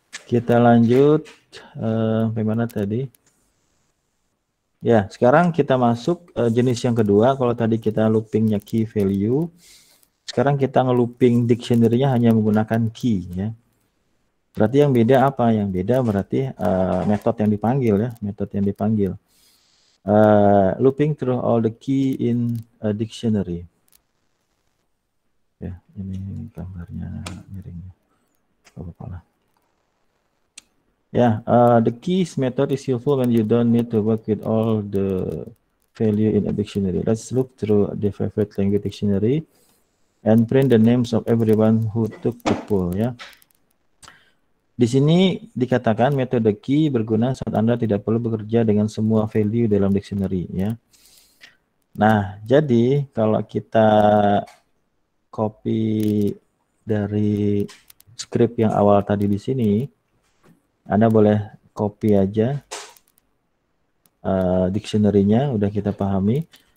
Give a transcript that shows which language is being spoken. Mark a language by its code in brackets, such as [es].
[id] Kita lanjut. Bagaimana tadi? Ya, sekarang kita masuk jenis yang kedua. Kalau tadi kita loopingnya key value, sekarang kita ngelooping dictionary-nya hanya menggunakan key, ya. Berarti yang beda apa? Yang beda berarti metode yang dipanggil, ya. Metode yang dipanggil. [en] Looping through all the key in a dictionary. [id] Ya, ini gambarnya miringnya. Gak apa-apa lah. [en] Ya, the keys method is useful when you don't need to work with all the value in a dictionary. Let's look through the favorite language dictionary and print the names of everyone who took the poll. Ya. [id] Di sini dikatakan metode key berguna saat Anda tidak perlu bekerja dengan semua value dalam dictionary. Ya. Nah, jadi kalau kita copy dari script yang awal tadi di sini, Anda boleh copy aja dictionary-nya, udah kita pahami.